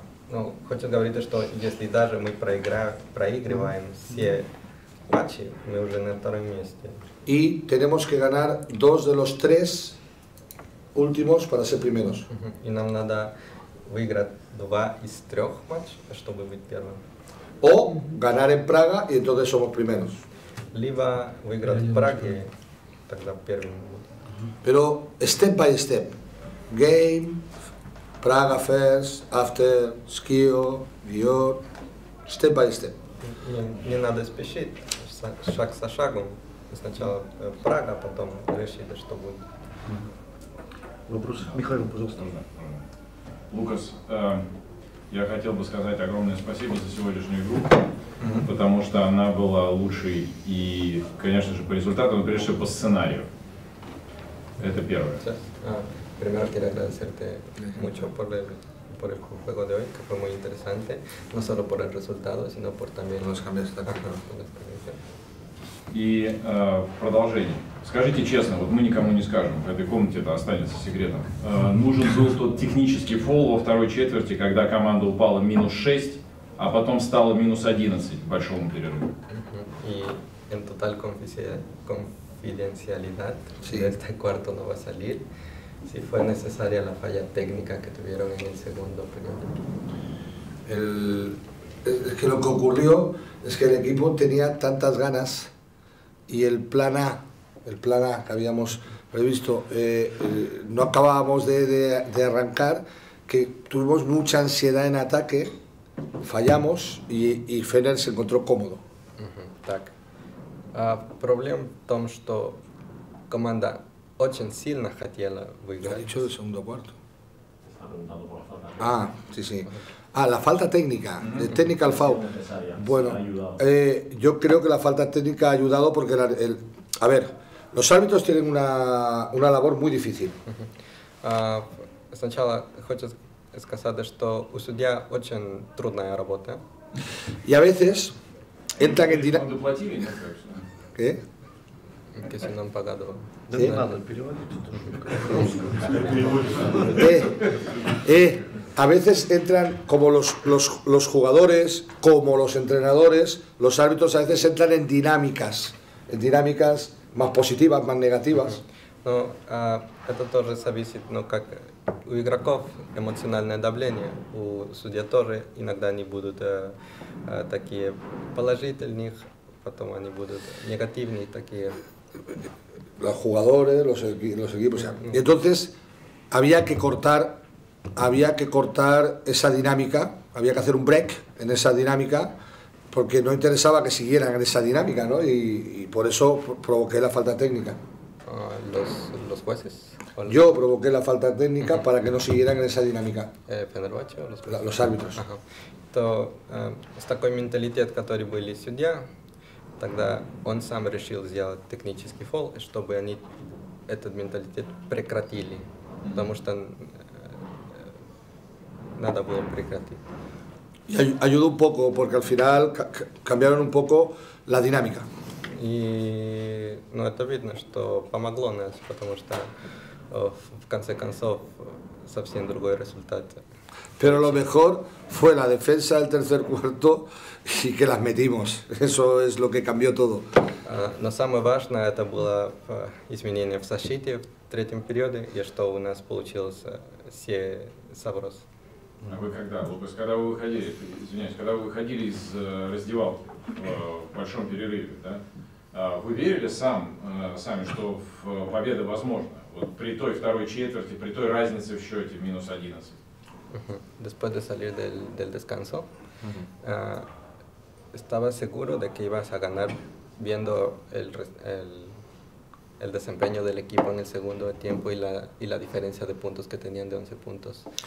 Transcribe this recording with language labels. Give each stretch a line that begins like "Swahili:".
Russian: Ну, хочу говорить, что если даже мы проигрываем все матчи, мы уже на втором месте.
Spanish: И tenemos que ganar dos de los tres últimos para ser primeros.
Russian: И нам надо выиграть два из трех матчей, чтобы быть первым.
Spanish: O ganar en Praga y entonces somos primeros.
Russian: Либо выиграть в Праге, тогда первым будет.
English: Pero step by step. Game, Praga first, after, Skio, Vior, step by step.
Russian: Не надо спешить, шаг со шагом. Сначала Прага, потом решили, что будет. Вопрос. Михаил, пожалуйста. Лукас, я хотел бы сказать огромное спасибо за сегодняшнюю игру, потому что она была лучшей и, конечно же, по результату, но прежде всего по сценарию. Это первое.
Spanish: Primero quiero agradecerte mucho por el juego de hoy, que fue muy interesante, no solo por el resultado, sino por también los cambios tácticos.
Russian: Y продолжение. Скажите честно, вот мы никому не скажем, в этой комнате это останется секретом. Нужен был тот технический фол во второй четверти, когда команда упала минус 6, а потом стала минус 11 в большом перерыве.
Spanish: И en total confidencialidad, este cuarto no va a salir. Si fue necesaria la falla técnica que tuvieron en el segundo periodo. Es que lo que ocurrió es que el equipo tenía tantas ganas y el plan A que habíamos previsto, no acabábamos de arrancar, que tuvimos mucha ansiedad en ataque, fallamos y Fener se encontró cómodo.
Russian: Так. Проблема в том, что команда очень сильно хотела выиграть.
Spanish: Ha dicho del segundo cuarto. Ah, sí, sí. Ah, la falta técnica, de technical foul. Bueno, yo creo que la falta técnica ha ayudado porque a ver, los árbitros tienen una labor muy difícil.
Russian: Сначала хочу сказать, что у судья очень трудная работа.
Spanish: Y a veces entran en dinámica. ¿Qué? Que si no han pagado.
Russian: Да не надо переводить, это русское.
Spanish: A veces entran como los jugadores, como los entrenadores, los árbitros a veces entran en dinámicas más positivas, más negativas.
Russian: Ну, это тоже зависит, ну, как у игроков эмоциональное давление, у судья тоже иногда они будут такие положительных, потом они будут негативные такие.
Spanish: Los jugadores, los equipos, o sea, y entonces había que cortar esa dinámica, había que hacer un break en esa dinámica, porque no interesaba que siguieran en esa dinámica, ¿no? Y por eso provoqué la falta técnica. ¿Los jueces? Yo provoqué la falta técnica para que no siguieran en esa dinámica. ¿Fenerbahçe o los jueces? Los árbitros. Entonces, esta mentalidad que tuvo el estudiante,
Russian: тогда он сам решил сделать технический фол, чтобы они этот менталитет прекратили, потому что надо было прекратить.
Spanish: Ayudó un poco, porque al final cambiaron un poco la dinámica.
Russian: И, ну, это видно, что помогло нас, потому что в конце концов совсем другой результат.
Spanish: Pero lo mejor fue la defensa del tercer cuarto y que las metimos. Eso es lo que cambió todo.
Russian: Но самое важное это было изменение в защите в третьем периоде и что у нас получился все соброс. А вы когда, Лукас, когда вы выходили, извиняюсь, когда вы выходили из раздевалки в большом перерыве, да, вы верили сами, что победа возможна? Вот при той второй четверти, при той разнице в счете минус 11.
Spanish: Después de salir del descanso, estaba seguro de que ibas a ganar viendo el el desempeño del equipo en el segundo tiempo y la diferencia de puntos que tenían de 11 puntos.